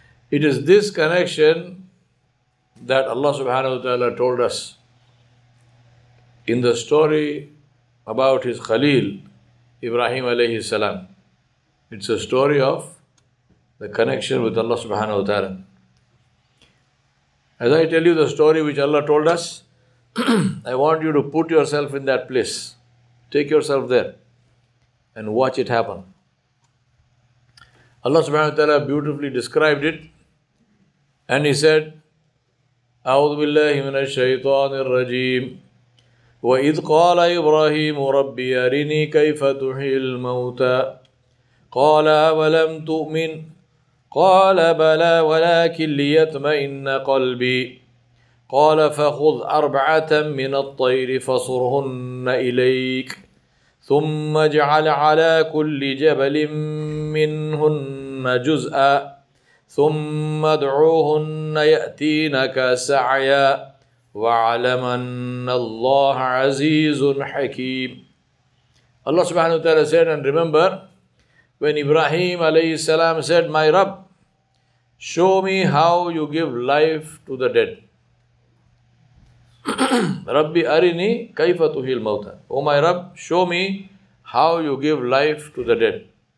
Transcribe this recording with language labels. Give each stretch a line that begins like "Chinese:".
English: It is this connection that Allah subhanahu wa ta'ala told us in the story about His Khaleel, Ibrahim alayhi salam. It's a story of the connection with Allah subhanahu wa ta'ala. As I tell you the story which Allah told us, I want you to put yourself in that place. Take yourself there and watch it happen. Allah subhanahu wa ta'ala beautifully described it, and He said,
Arabic: أعوذ بالله من الشيطان الرجيم وإذ قال إبراهيم ربي أرني كيف تحيي الموتى قال أولم تؤمن قال بلى ولكن ليطمئن قلبي قال فخذ أربعة من الطير فصرهن إليك ثم اجعل على كل جبل منهن جزءا ثم ادعوهن يأتينك سعيا واعلم أن الله عزيز حكيم.
English: Allah subhanahu wa ta'ala said, and remember when Ibrahim alayhi salam said, my Rabb, show me how you give life to the dead.
Arabic: Rabbi arini kaifa tuhil mawta.
English: Oh my Rabb, show me how you give life to the dead.